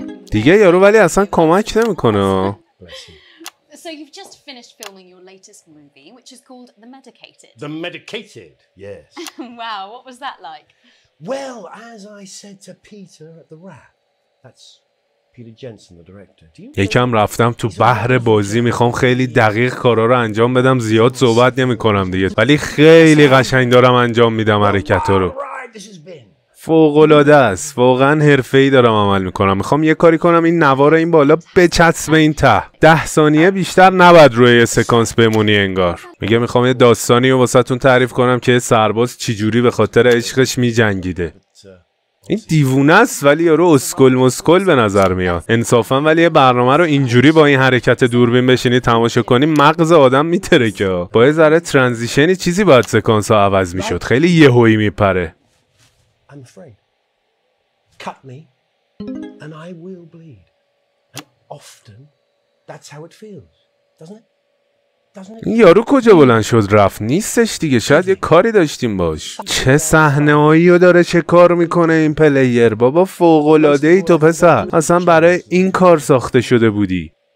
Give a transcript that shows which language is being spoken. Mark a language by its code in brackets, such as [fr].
[fa] دیگه یارو ولی اصلا کمک نمیکنه. [en] So you've just finished filming your latest movie which is called The Medicated. The Medicated. Yes. Wow, what was that like? Well, as I said to Peter at the wrap. That's Peter Jensen the director. [fa] یکم رفتم تو بحر بازی، میخوام خیلی دقیق کارا رو انجام بدم، زیاد صحبت نمیکنم دیگه. ولی خیلی قشنگ دارم انجام میدم حرکتا رو. فوق‌العاده است، واقعا حرفه‌ای دارم عمل میکنم. میخوام یه کاری کنم این نوار این بالا بچسبه این ته. 10 ثانیه بیشتر نباید روی سکانس بمونی. انگار میگه میخوام یه داستانی رو واسهتون تعریف کنم که سرباز چجوری به خاطر عشقش میجنگیده. این دیوونه است ولی یارو اسکل مسکل به نظر میاد انصافا. ولی یه برنامه رو اینجوری با این حرکت دوربین بشینی تماشا کنی، مغز آدم میترکه. با یه ذره ترانزیشنی چیزی باید سکانس ها عوض میشد، خیلی یهویی میپره. [en] I'm afraid. Cut me and I will bleed. And often that's how it feels, doesn't it? [fa] یارو کجا بلند شد رفت؟ نیستش دیگه، شاید یه کاری داشتیم باش. چه صحنه هایی رو داره چه کار میکنه این پلیر. بابا فوق العاده ای تو پسر، اصلا برای این کار ساخته شده بودی.